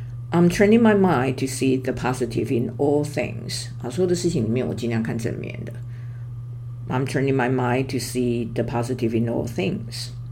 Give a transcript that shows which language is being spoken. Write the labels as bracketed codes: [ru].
[en] I'm training my mind to see the positive in all things。 [zh] 所有的事情里面我尽量看正面的。 [en] I'm training my mind to see the positive in all things。